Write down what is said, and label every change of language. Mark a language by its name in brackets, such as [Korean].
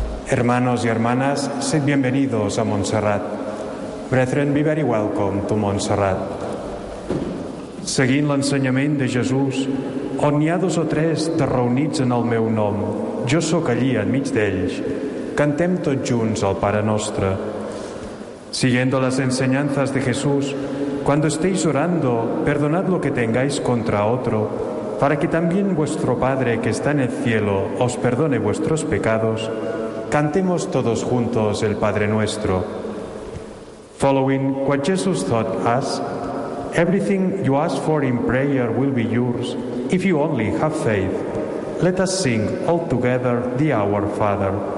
[Spanish] Hermanos y hermanas, sed bienvenidos a Montserrat. [English] Brethren, be very welcome to Montserrat. [Catalan] Seguint l'ensenyament de Jesús, on hi ha dos o tres de reunits en el meu nom, jo sóc allí enmig d'ells, cantem tots junts el Pare Nostre. [Spanish] Siguiendo las enseñanzas de Jesús, cuando estéis orando, perdonad lo que tengáis contra otro, para que también vuestro Padre que está en el cielo os perdone vuestros pecados, cantemos todos juntos el Padre Nuestro. [English] Following what Jesus taught us, everything you ask for in prayer will be yours, if you only have faith. Let us sing all together the Our Father.